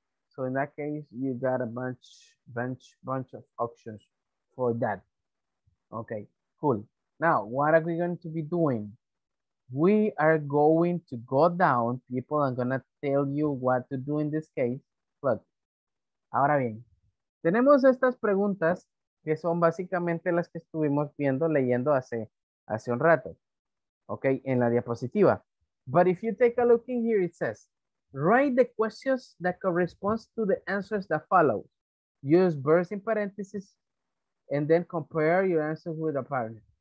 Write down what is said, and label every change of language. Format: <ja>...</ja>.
<en>So in that case, you got a bunch of options for that. Okay, cool. Now, what are we going to be doing? We are going to go down. People are going to tell you what to do in this case.</en> <es>Look, ahora bien, tenemos estas preguntas que son básicamente las que estuvimos viendo, leyendo hace un rato. Okay, en la diapositiva.</es> <en>But if you take a look in here, it says, write the questions that correspond to the answers that follow. Use verbs in parentheses and then compare your answers with a partner.</en>